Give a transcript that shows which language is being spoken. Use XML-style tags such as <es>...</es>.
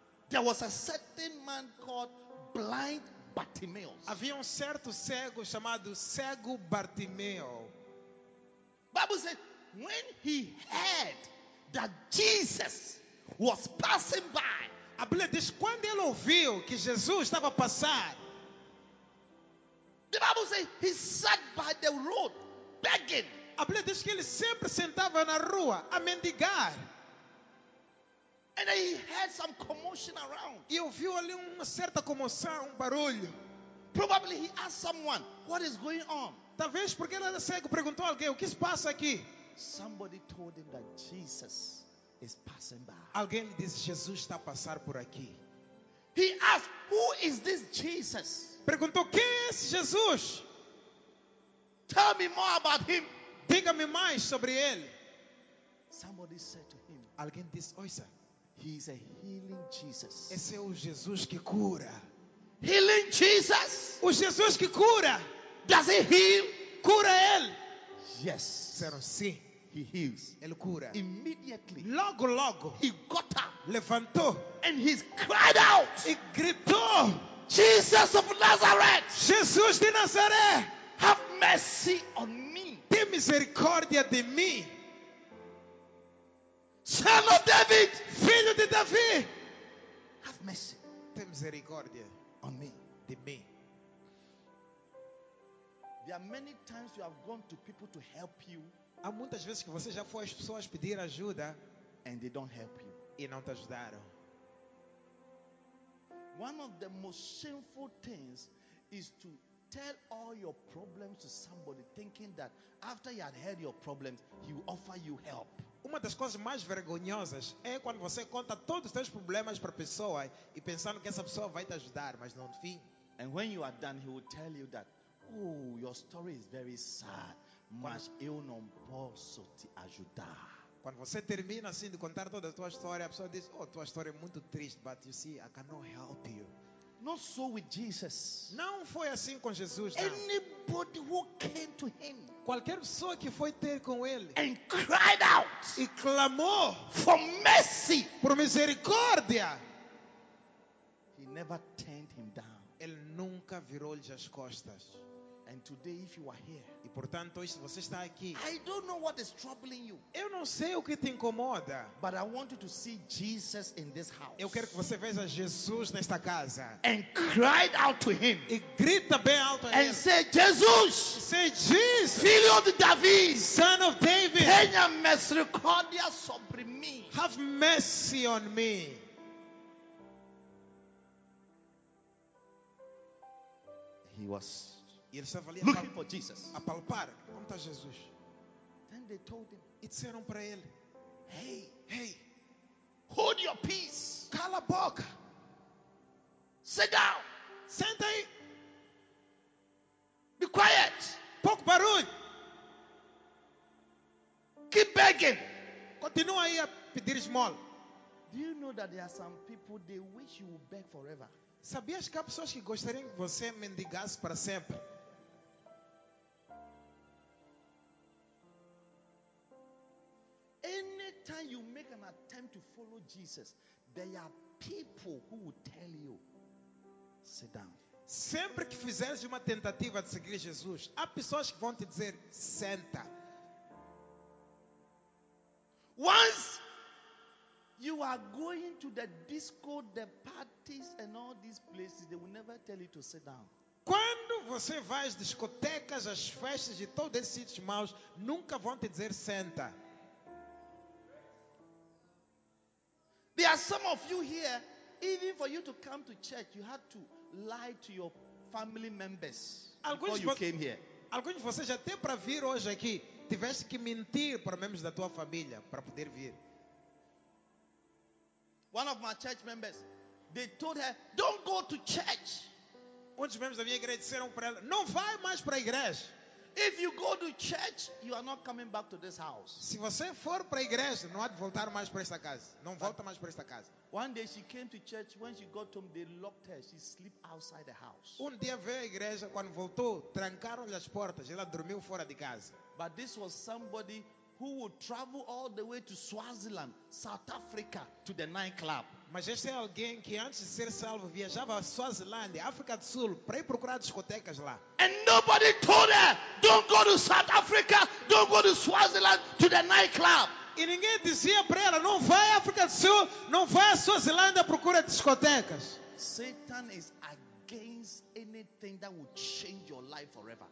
<en>there was a certain man called blind Bartimeu.</en> <pt>Havia certo cego chamado cego Bartimeu.</pt> <en>Bible said, when he heard that Jesus was passing by,</en> <pt>a Bíblia diz, quando ele ouviu que Jesus estava a passar,</pt> <en>the Bible says he sat by the road begging.</en> <pt>A Bíblia diz que ele sempre sentava na rua a mendigar.</pt> <en>And he heard some commotion around.</en> <pt>E ouviu ali uma certa comoção, barulho.</pt> <en>Probably he asked someone, what is going on?</en> <pt>Talvez porque ele era cego, perguntou a alguém, o que se passa aqui?</pt> <en>Somebody told him that Jesus is passing by.</en> <pt>Alguém lhe disse, Jesus está a passar por aqui.</pt> <en>He asked, who is this Jesus?</en> <pt>Perguntou, quem é esse Jesus?</pt> <en>Tell me more about him.</en> <pt>Diga-me mais sobre ele.</pt> <en>Somebody said to him,</en> <pt>alguém disse, ouça,</pt> <en>he is a healing Jesus.</en> <pt>Esse é o Jesus que cura.</pt> <en>Healing Jesus?</en> <pt>O Jesus que cura.</pt> <en>Does he heal?</en> <pt>Cura ele.</pt> <en>Yes.</en> <pt>Disseram sim.</pt> <en>He heals.</en> <pt>Ele cura.</pt> <en>Immediately.</en> <pt>Logo, logo.</pt> <en>He got up.</en> <pt>Levantou.</pt> <en>And he cried out.</en> <pt>E gritou.</pt> <en>Jesus of Nazareth.</en> <pt>Jesus de Nazaré.</pt> <en>Have mercy on me.</en> <pt>Tem misericórdia de mim.</pt> <en>Son of David,</en> <pt>filho de Davi,</pt> <en>have mercy,</en> <pt>tem misericórdia</pt> <en>on me,</en> <pt>de mim.</pt> <en>There are many times you have gone to people to help you.</en> <pt>Há muitas vezes que você já foi às pessoas pedir ajuda,</pt> <en>and they don't help you.</en> <pt>E não te ajudaram.</pt> <en>One of the most shameful things is to tell all your problems to somebody, thinking that after he had heard your problems, he will offer you help.</en> <pt>Uma das coisas mais vergonhosas é quando você conta todos os seus problemas para a pessoa e pensando que essa pessoa vai te ajudar, mas no fim.</pt> <en>And when you are done, he will tell you that, oh, your story is very sad,</en> <pt>mas eu não posso te ajudar. Quando você termina assim de contar toda a tua história, a pessoa diz: "Oh, tua história é muito triste,</pt> <en>but you see, I cannot help you." Not so with Jesus.</en> <pt>Não foi assim com Jesus.</pt> <en>Anybody who came to him,</en> <pt>qualquer pessoa que foi ter com ele,</pt> <en>and cried out,</en> <pt>e clamou</pt> <en>for mercy,</en> <pt>por misericórdia,</pt> <en>he never turned him down.</en> <pt>Ele nunca virou-lhe as costas.</pt> <en>And today, if you are here,</en> <pt>e portanto hoje você está aqui,</pt> <en>I don't know what is troubling you.</en> <pt>Eu não sei o que te incomoda.</pt> <en>But I want you to see Jesus in this house.</en> <pt>Eu quero que você veja Jesus nesta casa.</pt> <en>And cry out to him.</en> <pt>E grita bem alto a</pt> <en>ele. And say, Jesus. Say, Jesus. Filho of David. Son of David.</en> <pt>Tenha misericórdia sobre mim.</pt> <en>Have mercy on me. He was.</en> <pt>E ele estava ali</pt> <en>looking for Jesus.</en> <pt>A palpar. Como está Jesus?</pt> <en>Then they told him,</en> <pt>e disseram para ele:</pt> <en>"Hey, hey, hold your peace.</en> <pt>Cala a boca.</pt> <en>Sit down.</en> <pt>Senta aí.</pt> <en>Be quiet.</en> <pt>Pouco barulho.</pt> <en>Keep begging.</en> <pt>Continua aí a pedir esmola.</pt> <en>Do you know that there are some people they wish you would beg forever?</en> <pt>Sabias que há pessoas que gostariam que você mendigasse para sempre?</pt> <en>Anytime you make an attempt to follow Jesus, there are people who will tell you, sit down.</en> <pt>Sempre que fizeres uma tentativa de seguir Jesus, há pessoas que vão te dizer, senta.</pt> <en>Once you are going to the disco, the parties and all these places, they will never tell you to sit down.</en> <pt>Quando você vai às discotecas, às festas e todos esses sítios maus, nunca vão te dizer, senta.</pt> <en>There are some of you here, even for you to come to church, you had to lie to your family members before you came here.</en> <pt>Alguns de vocês até para vir hoje aqui, tiveste que mentir para membros da tua família para poder vir.</pt> <en>One of my church members, they told her, don't go to church.</en> <pt>Um dos membros da minha igreja disseram para ela, não vai mais para a igreja.</pt> <en>If you go to church, you are not coming back to this house.</en> <pt>Se você for para a igreja, não há de voltar mais para esta casa. Não volta mais para esta casa.</pt> <en>One day she came to church. When she got home, they locked her. She slept outside the house.</en> <pt>Um dia veio à igreja, quando voltou, trancaram-lhe as portas. Ela dormiu fora de casa.</pt> <en>But this was somebody who would travel all the way to Swaziland, South Africa, to the nightclub.</en> <pt>Mas este é alguém que antes de ser salvo viajava a Swaziland, África do Sul, para ir procurar discotecas lá.</pt> <en>And nobody told her, don't go to South Africa, don't go to Swaziland, to the nightclub.</en> <pt>E ninguém dizia para ela, não vai à África do Sul, não vai à Swaziland, procura discotecas.</pt> <en>Satan is against anything that will change your life forever.</en>